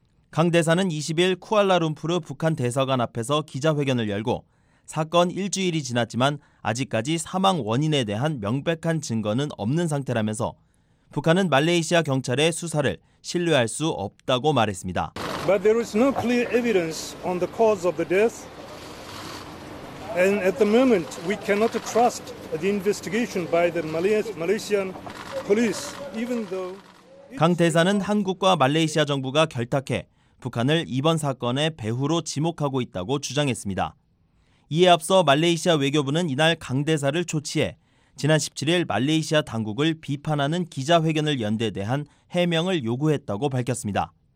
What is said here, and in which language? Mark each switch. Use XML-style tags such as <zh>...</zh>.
<ko>강 대사는 20일 쿠알라룸푸르 북한 대사관 앞에서 기자회견을 열고 사건 일주일이 지났지만 아직까지 사망 원인에 대한 명백한 증거는 없는 상태라면서 북한은 말레이시아 경찰의 수사를 신뢰할 수 없다고 말했습니다.</ko> <en>But there is no clear evidence on the cause of the death. And at the moment, we cannot trust the investigation by the Malaysian police, even though</en> <ko>강 대사는 한국과 말레이시아 정부가 결탁해 북한을 이번 사건의 배후로 지목하고 있다고 주장했습니다. 이에 앞서 말레이시아 외교부는 이날 강 대사를 초치해 지난 17일 말레이시아 당국을 비판하는 기자회견을 연 데 대한 해명을 요구했다고 밝혔습니다.</ko>